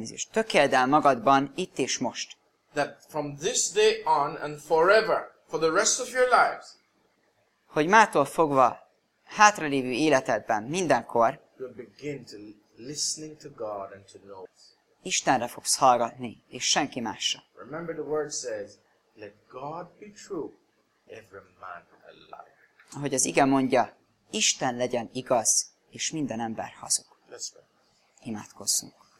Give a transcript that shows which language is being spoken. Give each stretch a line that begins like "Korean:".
Hungarian: Tökéld el magadban itt és most.
English: That from this day on and forever, for the rest of your lives.
Hungarian: Hogy mától fogva hátralévő életedben mindenkor.
English: You begin to listening to God and to know.
Hungarian: Istenre fogsz hallgatni és senki másra.
English: Remember the word says, let God be true, every man a liar.
Hungarian: Ahogy az ige mondja. Isten legyen igaz, és minden ember hazug. Imádkozzunk.